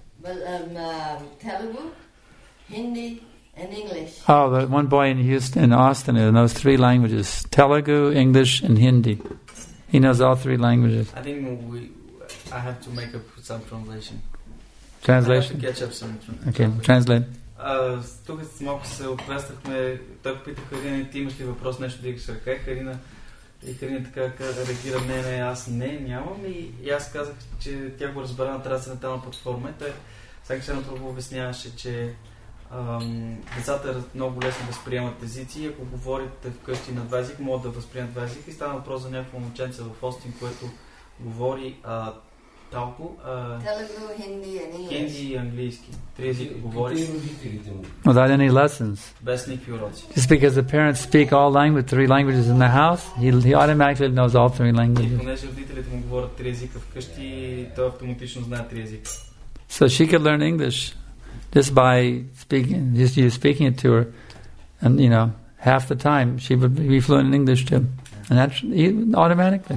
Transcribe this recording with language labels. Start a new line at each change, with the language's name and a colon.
English: Well, Telugu, Hindi, and English. Oh, the one boy in Houston, in Austin, in those three languages. Telugu, English, and Hindi. He knows all three languages. I think I have to make up some translation. Translation? I have to catch up some translation. Okay, translate.
Bulgarian: Тук с малко се оплестахме. Той попита Карина, ти имаш ли въпрос, нещо да дигаш ръка? Карина, и Карина така реагира, не, аз не, нямам. И аз казах, че тя го разбра на трансцендентална платформа. Той всяка ще натрупа обясняваше, че децата много лесно възприемат езици. Ако говорят вкъщи на два езика, могат да възприемат два езика. И стана въпрос за някакво момченце в Остин, което говори Талко. Телегу, хинди и английски. Хинди и английски. Три езика говориш.
English: Without any lessons.
Bulgarian: Без никакви уроци.
English: Just because the parents speak all languages, three languages in the house, he automatically knows all three languages.
Bulgarian: И понеже родителите му говорят три езика вкъщи, той автоматично знае три езика.
English: So she could learn English just by speaking, just you speaking it to her, and you know, half the time she would be fluent in English too. Yeah. And that's automatically.